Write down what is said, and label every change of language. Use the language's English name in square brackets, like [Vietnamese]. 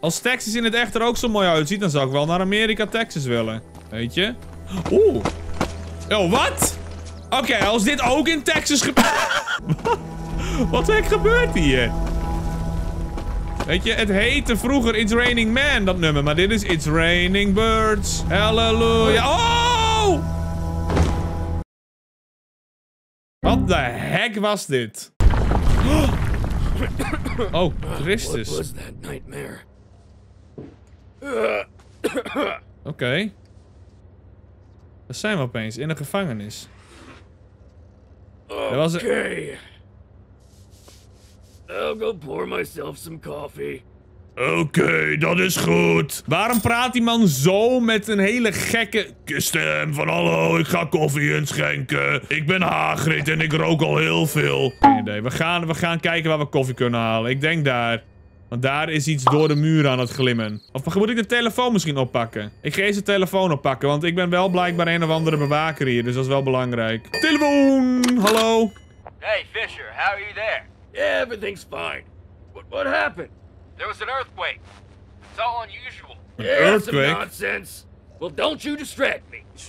[Dutch] Als Texas in het echt er ook zo mooi uitziet, dan zou ik wel naar Amerika, Texas willen. Weet je? Oeh. Oh, wat? Oké, als dit ook in Texas gebeurt. Wat heck gebeurt hier? Weet je, het heette vroeger It's Raining Men, dat nummer. Maar dit is It's Raining Birds. Halleluja. Oh! Wat de heck was dit? Oh, Christus. [English] What was that nightmare? [Dutch] Oké. Daar zijn we opeens, in een gevangenis. Oké. [English] I'll go pour myself some coffee. [Dutch] Oké, dat is goed. Waarom praat die man zo met een hele gekke stem van hallo, ik ga koffie inschenken. Ik ben Hagrid en ik rook al heel veel. Nee, we gaan kijken waar we koffie kunnen halen. Ik denk daar. Want daar is iets door de muur aan het glimmen. Of moet ik de telefoon misschien oppakken? Ik ga eens de telefoon oppakken, want ik ben wel blijkbaar een of andere bewaker hier. Dus dat is wel belangrijk. Telefoon, hallo. [English] Hey Fisher, how are you there? Yeah, everything's fine. What happened? There was an earthquake. It's all unusual. Earthquake? Some nonsense. Well, don't you distract me.